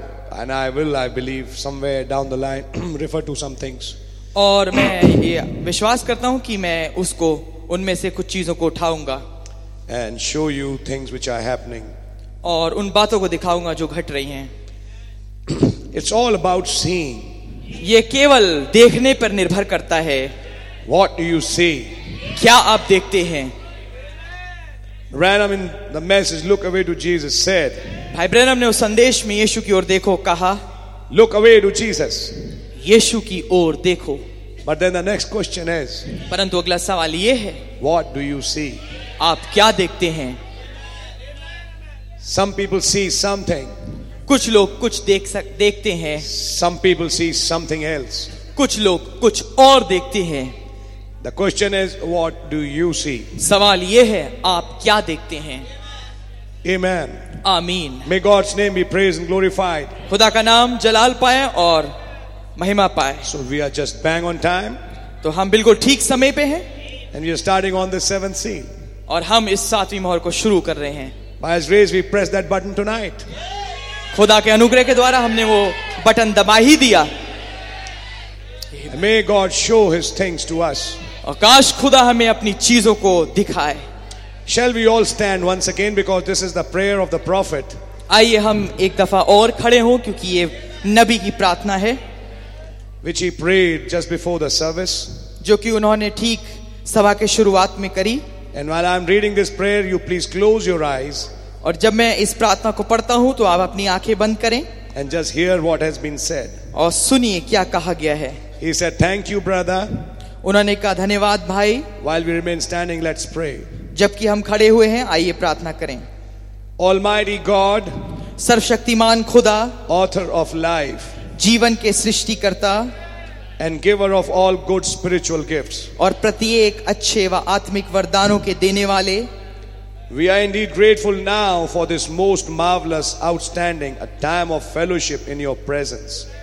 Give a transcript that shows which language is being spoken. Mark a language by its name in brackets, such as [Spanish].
[English] And I will, I believe, somewhere down the line refer to some things. [Hindi] और मैं ये विश्वास करता हूँ कि मैं उसको उनमें से कुछ चीजों को उठाऊंगा. [English] And show you things which are happening. [Hindi] और उन बातों को दिखाऊंगा जो घट रही हैं. [English] It's all about seeing. [Hindi] ये केवल देखने पर निर्भर करता है. [English] What do you see? [Hindi] क्या आप देखते हैं? [English] Branham in the message, look away to Jesus, said. [Hindi] भाई ब्रैनम ने उस संदेश में यीशु की ओर देखो कहा. [English] Look away to Jesus. [Hindi] यीशु की ओर देखो. [English] But then the next question is. [Hindi] परंतु अगला सवाल ये है. [English] What do you see? [Hindi] आप क्या देखते हैं? [English] Some people see something. [Hindi] कुछ लोग कुछ देखते हैं. [English] Some people see something else. [Hindi] कुछ लोग कुछ और देखते हैं. [English] The question is, what do you see? [Hindi] सवाल ये है, आप क्या देखते हैं? [English] Amen. [Hindi] आमीन. [English] May God's name be praised and glorified. [Hindi] खुदा का नाम जलाल पाए और महिमा पाए. [English] So we are just bang on time. [Hindi] तो हम बिल्कुल ठीक समय पे हैं. [English] And we are starting on the seventh seal. [Hindi] और हम इस सातवीं मोहर को शुरू कर रहे हैं. [English] By His grace, we press that button tonight. [Hindi] खुदा के अनुग्रह के द्वारा हमने वो बटन दबा ही दिया. [English] May God show His things to us. [Hindi] काश खुदा हमें अपनी चीजों को दिखाए. [English] Shall we all stand once again because this is the prayer of the prophet? [Hindi] आइए हम एक दफा और खड़े हों क्योंकि ये नबी की प्रार्थना है. [English] Which he prayed just before the service. [Hindi] जो कि उन्होंने ठीक सभा के शुरुआत में करी. [English] And while I'm reading this prayer, you please close your eyes. [Hindi] और जब मैं इस प्रार्थना को पढ़ता हूं तो आप अपनी आंखें बंद करें. [English] And just hear what has been said. [Hindi] और सुनिए क्या कहा गया है. [English] He said, "Thank you, brother." [Hindi] उन्होंने कहा धन्यवाद भाई. [English] While we remain standing, let's pray. [Hindi] जबकि हम खड़े हुए हैं आइए प्रार्थना करें. [English] Almighty God, [Hindi] सर्वशक्तिमान खुदा, [English] author of life, [Hindi] जीवन के सृष्टिकर्ता, [English] and giver of all good spiritual gifts, [Hindi] और प्रत्येक अच्छे व आत्मिक वरदानों के देने वाले, [English] we are indeed grateful now for this most marvelous, outstanding, a time of fellowship in your presence.